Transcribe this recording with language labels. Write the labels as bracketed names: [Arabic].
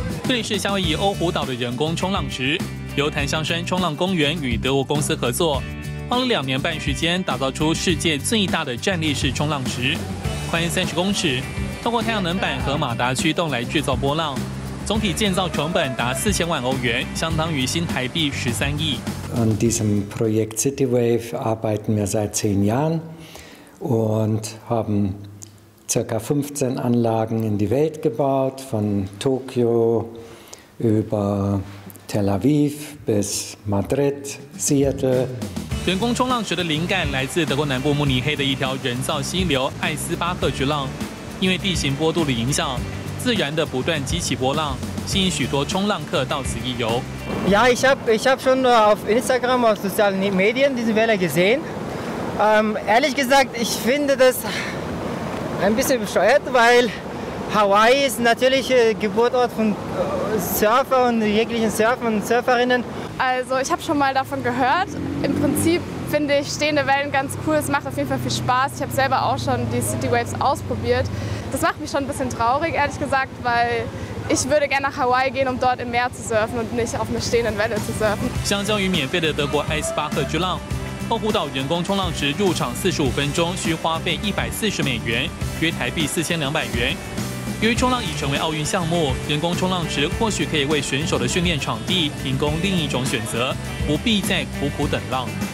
[Chinese] 这里是夏威夷欧胡岛的人工冲浪池，由檀香山冲浪公园与德国公司合作，花了两年半时间打造出世界最大的站立式冲浪池，宽30公尺，通过太阳能板和马达驱动来制造波浪，总体建造成本达4000万欧元，相当于新台币13亿。 [German] An diesem Projekt City Wave arbeiten wir seit 10 Jahren und haben ca. 15 Anlagen in die Welt gebaut, von Tokio über Tel Aviv bis Madrid, Seattle。 [Chinese] 人工冲浪池的灵感来自德国南部慕尼黑的一条人造溪流艾斯巴克巨浪，因为地形波度的影响，自然的不断激起波浪，吸引许多冲浪客到此一游。 [German] Ja, ich hab schon auf Instagram auf sozialen Medien diese Welle gesehen. Ehrlich gesagt, ich finde das ein bisschen bescheuert, weil Hawaii ist natürlich Geburtsort von Surfer und jeglichen Surfer und Surferinnen. Also, ich habe schon mal davon gehört. Im Prinzip finde ich stehende Wellen ganz cool. Es macht auf jeden Fall viel Spaß. Ich habe selber auch schon die City Waves ausprobiert. Das macht mich schon ein bisschen traurig, ehrlich gesagt, weil ich würde gerne nach Hawaii gehen, um dort im Meer zu surfen und nicht auf einer stehenden Welle zu surfen. [Chinese] 相较于免费的德国 Ice Bar 和巨浪，欧胡岛人工冲浪池入场45分钟需花费140美元，约台币4200元。由于冲浪已成为奥运项目，人工冲浪池或许可以为选手的训练场地提供另一种选择，不必再苦苦等浪。